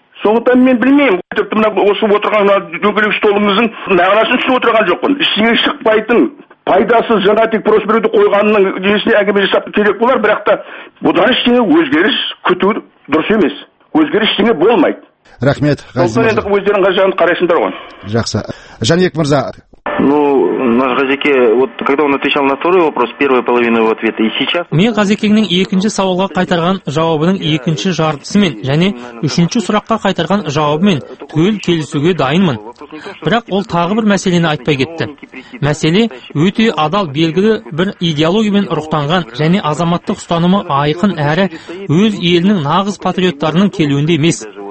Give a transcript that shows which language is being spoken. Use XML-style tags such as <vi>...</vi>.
<kk>Сондықтан мен білмеймін, тіпті мына осы отырған дөңгелек столымыздың мағынасын түсініп отырған жоқпын. Ештеңе шықпайтын пайдасыз жаңа тек просперуді қойғанның несіне әңгіме жасап керек болар, бірақ та бұдан ештеңе өзгеріс күту дұрыс емес. Өзгеріс ештеңе болмайды. Рахмет. Енді өздерің қаржыны қарайсыңдар ғой. Жақсы. Жанбек мырза.</kk> <ru>Ну, наш Газике, вот когда он отвечал на второй вопрос, первую половину его ответа, и сейчас...</ru> <kk>Мен Газикенің екінші сауалға қайтарған жауабының екінші жартысымен, және үшінші сұраққа қайтарған жауабымен түгел келісуге дайынмын. Бірақ ол тағы бір мәселені айтпай кетті. Мәселе өте адал белгілі бір идеологиямен рухтанған және азаматтық ұстанымы айқын әрі өз елінің нағыз патриоттарының келуінде емес.</kk>